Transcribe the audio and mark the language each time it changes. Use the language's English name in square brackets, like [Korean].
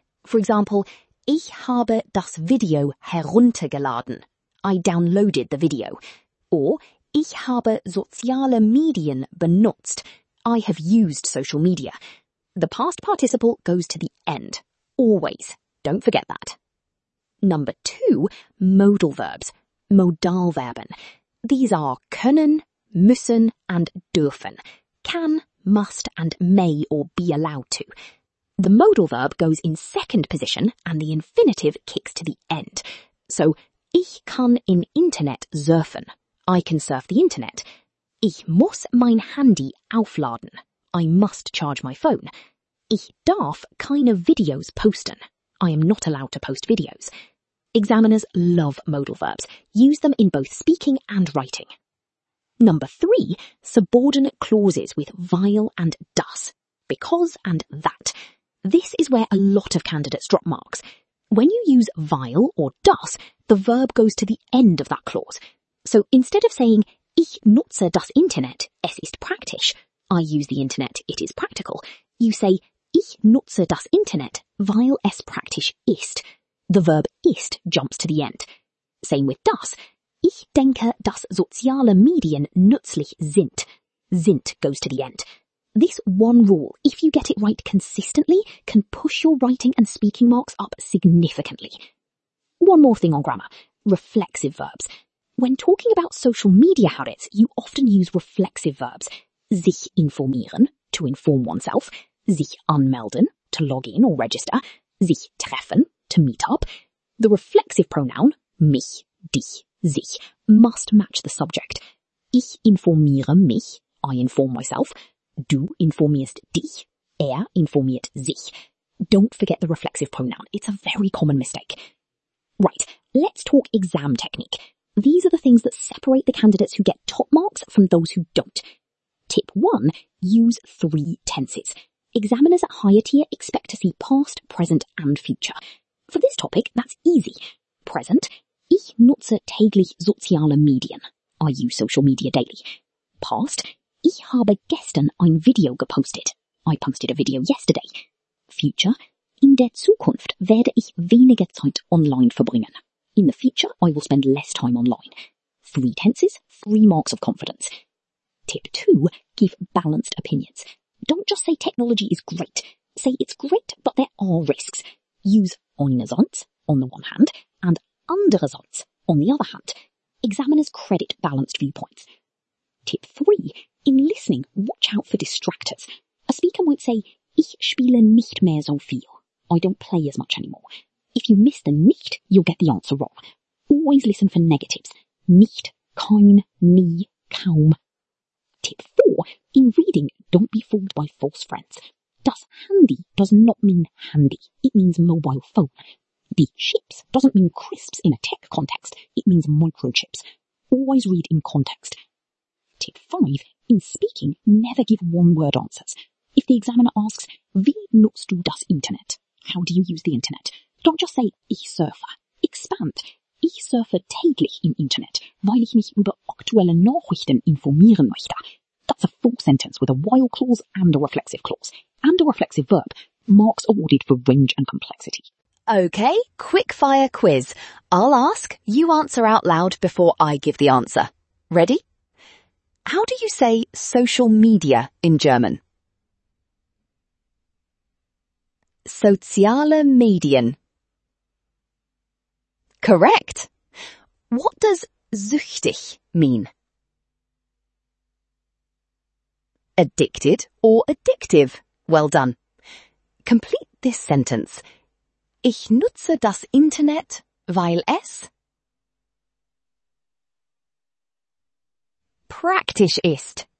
[English] For example, [German] ich habe das Video heruntergeladen. [English] I downloaded the video. Or, [German] ich habe soziale Medien benutzt. [English] I have used social media. The past participle goes to the end. Always. Don't forget that. Number two, modal verbs. Modalverben. These are können, müssen and dürfen. Can, must and may or be allowed to. The modal verb goes in second position and the infinitive kicks to the end. [German] So, ich kann im Internet surfen. [English] I can surf the internet. [German] Ich muss mein Handy aufladen. [English] I must charge my phone. [German] Ich darf keine Videos posten. [English] I am not allowed to post videos. Examiners love modal verbs. Use them in both speaking and writing. Number three, subordinate clauses with weil and das, because and that. This is where a lot of candidates drop marks. When you use weil or das, the verb goes to the end of that clause. So instead of saying, [German] ich nutze das Internet, es ist praktisch, [English] I use the Internet, it is practical, you say, [German] ich nutze das Internet, weil es praktisch ist. [English] The verb ist jumps to the end. Same with das. [German] Ich denke, dass soziale Medien nützlich sind. [English] Sind goes to the end. This one rule, if you get it right consistently, can push your writing and speaking marks up significantly. One more thing on grammar. Reflexive verbs. When talking about social media habits, you often use reflexive verbs. Sich informieren, to inform oneself. Sich anmelden, to log in or register. Sich treffen, to meet up. The reflexive pronoun, mich, dich, sich, must match the subject. [German] Ich informiere mich, [English] I inform myself. [German] Du informierst dich, informiert sich. [English] Don't forget the reflexive pronoun, it's a very common mistake. Right, let's talk exam technique. These are the things that separate the candidates who get top marks from those who don't. Tip one, use three tenses. Examiners at higher tier expect to see past, present and future. For this topic, that's easy. [German] Present, ich nutze täglich soziale Medien. [English] I use social media daily. [German] Past, ich habe gestern ein Video gepostet. [English] I posted a video yesterday. [German] Future, in der Zukunft werde ich weniger Zeit online verbringen. [English] In the future, I will spend less time online. Three tenses, three marks of confidence. Tip two, give balanced opinions. Don't just say technology is great. Say it's great, but there are risks. Use einerseits on the one hand and andererseits on the other hand. examiners credit balanced viewpoints. Tip 3. In listening, watch out for distractors. A speaker might say, [German] Ich spiele nicht mehr so viel. [English] I don't play as much anymore. If you miss the nicht, you'll get the answer wrong. Always listen for negatives. Nicht, kein, nie, kaum. Tip 4. In reading, don't be fooled by false friends. Das Handy does not mean handy. It means mobile phone. The chips doesn't mean crisps in a tech context. It means microchips. Always read in context. Tip 5. In speaking, never give one-word answers. If the examiner asks, [German] Wie nutzt du das Internet? [English] How do you use the Internet? Don't just say, [German] Ich surfe. [English] Expand. [German] Ich surfe täglich im Internet, weil ich mich über aktuelle Nachrichten informieren möchte. [English] That's a full sentence with a while clause and a reflexive clause. And a reflexive verb. Marks awarded for range and complexity. Okay, quick fire quiz. I'll ask, you answer out loud before I give the answer. Ready? How do you say social media in German? [German] Soziale Medien. [English] Correct. What does süchtig mean? Addicted or addictive. Well done. Complete this sentence. [German] Ich nutze das Internet, weil es praktisch ist.